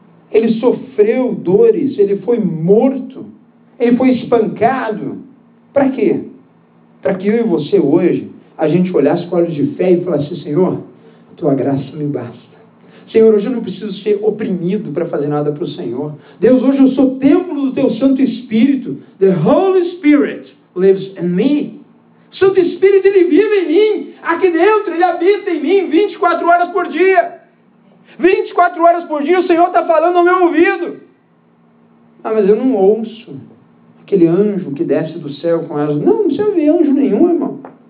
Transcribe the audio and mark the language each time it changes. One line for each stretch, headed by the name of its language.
Portuguese: Ele sofreu dores, ele foi morto, ele foi espancado. Para quê? Para que eu e você hoje, a gente olhasse com olhos de fé e falasse, Senhor, a tua graça me basta. Senhor, hoje eu não preciso ser oprimido para fazer nada para o Senhor. Deus, hoje eu sou templo do teu Santo Espírito.
English: The Holy Spirit lives in me.
Portuguese: O Santo Espírito, ele vive em mim. Aqui dentro, ele habita em mim 24 horas por dia. 24 horas por dia, o Senhor está falando ao meu ouvido. Ah, mas eu não ouço. Aquele anjo que desce do céu com asas. Não, não precisa ver anjo nenhum, irmão.